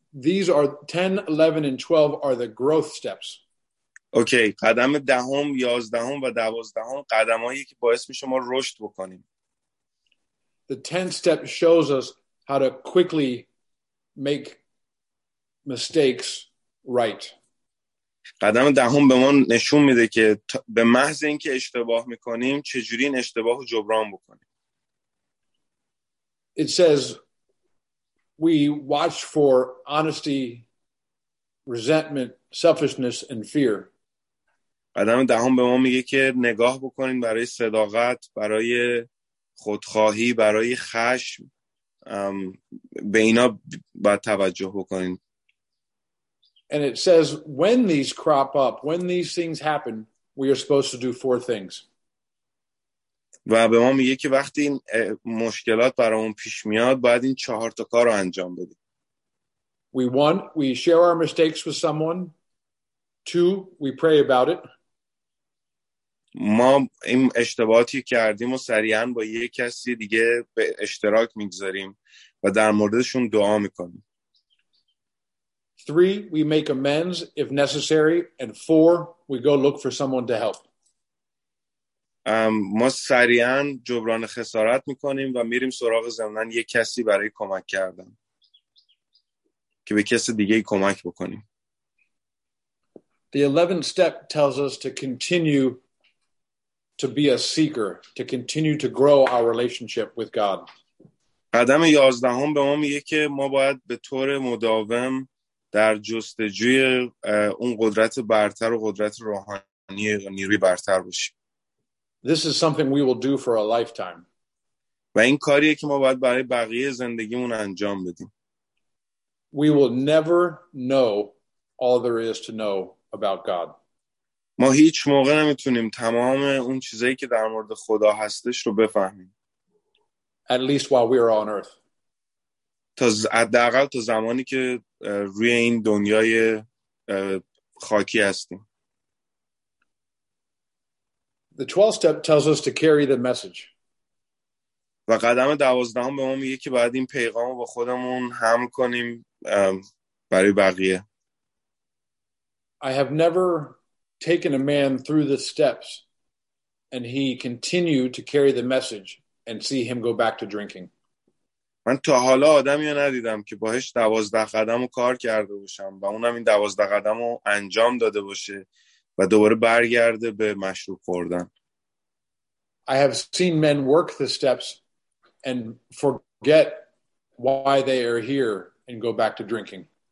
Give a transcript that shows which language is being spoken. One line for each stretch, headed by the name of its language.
English: These are 10, 11 and 12 are the growth steps.
Persian: اوکی، قدم دهم، یازدهم و دوازدهم قدمایی که باعث میشه ما رشد بکنیم.
English: The 10th step shows us how to quickly make mistakes right.
Persian: قدم دهم به ما نشون میده که به محض اینکه اشتباه میکنیم چجوری این اشتباه رو جبران بکنیم.
English: It says we watch for honesty, resentment, selfishness and fear.
Persian: قدم دهم به ما میگه که نگاه بکنین برای صداقت، برای خودخواهی، برای خشم، به اینا باید توجه بکنین.
English: And it says when these crop up, when these things happen, we are supposed to do four things.
Persian: و به ما میگه که وقتی این مشکلات برامون پیش میاد باید این چهار تا کار رو انجام بدیم.
English: We share our mistakes with someone. Two, we pray about it.
Persian: ما این اشتباهاتی کردیم و سریعا با یه کسی دیگه به اشتراک میگذاریم و در موردشون دعا میکنیم.
English: Three, we make amends if necessary. And four, we go look for someone to help.
Persian: ما سریعا جبران خسارت میکنیم و میریم سراغ زمانن یک کسی برای کمک کردن که به کسی دیگه کمک بکنیم.
English: The 11th step tells us to continue to be a seeker, to continue to grow our relationship with God.
Persian: قدم 11 به ما میگه که ما باید به طور مداوم در جستجوی اون قدرت برتر و قدرت روحانی و نیروی برتر باشیم.
English: This is something we will do for a lifetime.
Persian: و این کاریه که ما باید برای بقیه زندگیمون انجام بدیم.
English: We will never know all there is to know about God.
Persian: ما هیچ موقع نمیتونیم تمام اون چیزایی که در مورد خدا هستش رو بفهمیم.
English: At least while we are on earth.
Persian: حداقل تا زمانی که روی این دنیای خاکی هستیم.
English: The 12th step tells us to carry the message.
Persian: و قدم 12 هم به ما میگه که باید این پیغامو با خودمون حمل کنیم برای بقیه.
English: I have never taken a man through the steps and he continued to carry the message and see him go back to drinking.
Persian: من تا حالا آدمی رو ندیدم که باهش 12 قدمو کار کرده باشم و اونم این 12 قدمو انجام داده باشه و دوباره برگرده به مشروب خوردن.
English: I have seen men work the steps and forget why they are here and go back to drinking.